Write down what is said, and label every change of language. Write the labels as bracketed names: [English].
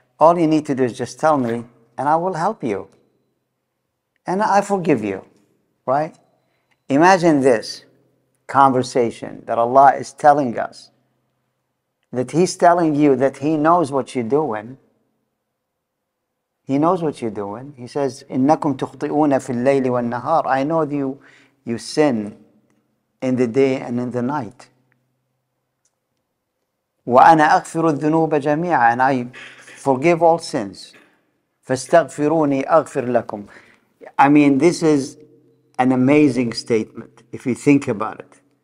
[English] All you need to do is just tell me and I will help you. And I forgive you, right? Imagine this conversation that Allah is telling us, that He's telling you that He knows what you're doing. He knows what you're doing. He says, [Arabic] إِنَّكُمْ تُخْطِئُونَ فِي اللَّيْلِ وَالنَّهَارِ. [English] I know that you sin in the day and in the night. [Arabic] وَأَنَا أَغْفِرُ الذُّنُوبَ جَمِيعًا. [English] And I forgive all sins. [Arabic] فَاسْتَغْفِرُونِي أَغْفِرْ لَكُمْ. [English] I mean, this is an amazing statement, if you think about it.